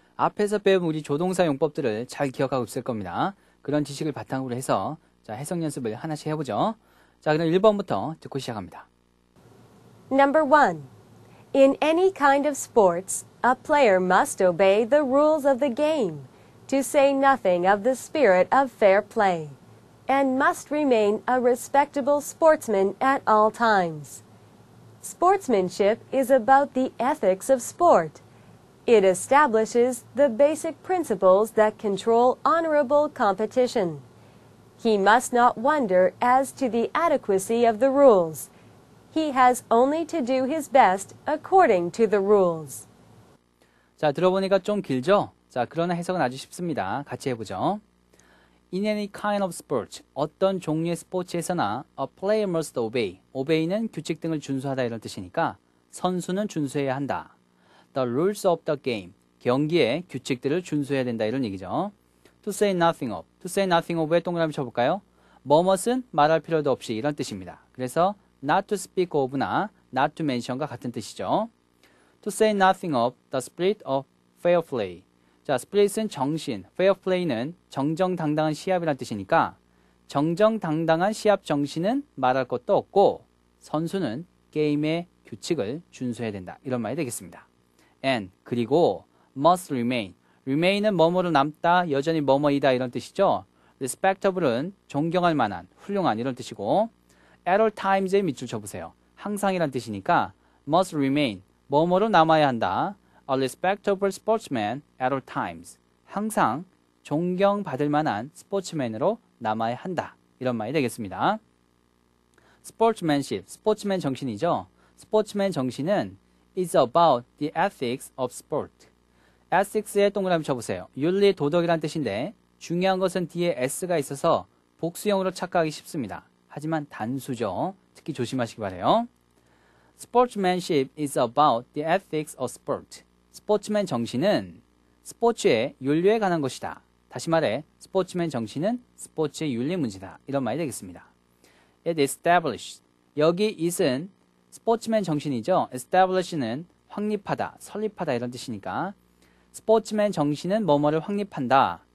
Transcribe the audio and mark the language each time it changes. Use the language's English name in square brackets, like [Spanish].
[Korean] 앞에서 배운 우리 조동사 용법들을 잘 기억하고 있을 겁니다. 그런 지식을 바탕으로 해서 자, 해석 연습을 하나씩 해보죠. 자, 그럼 1번부터 듣고 시작합니다. [English] Number one. In any kind of sports, a player must obey the rules of the game, to say nothing of the spirit of fair play, and must remain a respectable sportsman at all times. Sportsmanship is about the ethics of sport. It establishes the basic principles that control honorable competition. He must not wonder as to the adequacy of the rules. He has only to do his best according to the rules. [Korean] 자, 들어보니까 좀 길죠? 자, 그러나 해석은 아주 쉽습니다. 같이 해보죠. [English] In any kind of sports, [Korean] 어떤 종류의 스포츠에서나 [English] a player must obey. [Korean] obey는 규칙 등을 준수하다 이런 뜻이니까 선수는 준수해야 한다. [English] The rules of the game, [Korean] 경기의 규칙들을 준수해야 된다 이런 얘기죠. [English] To say nothing of, to say nothing of에 [Korean] 동그라미 쳐볼까요? 뭐뭇은 말할 필요도 없이 이런 뜻입니다. 그래서 [English] not to speak of [Korean] 나 [English] not to mention [Korean] 과 같은 뜻이죠. [English] To say nothing of the spirit of fair play. [Korean] 자, spirit은 정신, fair play는 정정당당한 시합이란 뜻이니까 정정당당한 시합 정신은 말할 것도 없고 선수는 게임의 규칙을 준수해야 된다. 이런 말이 되겠습니다. [English] And [Korean] 그리고 [English] must remain. [Korean] remain은 뭐뭐로 남다, 여전히 뭐뭐이다 이런 뜻이죠. respectable은 존경할 만한, 훌륭한 이런 뜻이고 [English] at all times [Korean] 에 밑줄 쳐보세요. 항상이란 뜻이니까 [English] must remain. [Korean] 뭐뭐로 남아야 한다. [English] A respectable sportsman at all times. [Korean] 항상 존경받을 만한 스포츠맨으로 남아야 한다. 이런 말이 되겠습니다. Sportsmanship, 스포츠맨 정신이죠. 스포츠맨 정신은 [English] is about the ethics of sport. [Korean] ethics에 동그라미 쳐보세요. 윤리, 도덕이란 뜻인데 중요한 것은 뒤에 s가 있어서 복수형으로 착각하기 쉽습니다. 하지만 단수죠. 특히 조심하시기 바래요. [English] Sportsmanship is about the ethics of sport. [Korean] 스포츠맨 정신은 스포츠의 윤리에 관한 것이다. 다시 말해, 스포츠맨 정신은 스포츠의 윤리 문제다. 이런 말이 되겠습니다. [English] It established. [Korean] 여기 it은 스포츠맨 정신이죠. establish는 확립하다, 설립하다 이런 뜻이니까 스포츠맨 정신은 뭐뭐를 확립한다.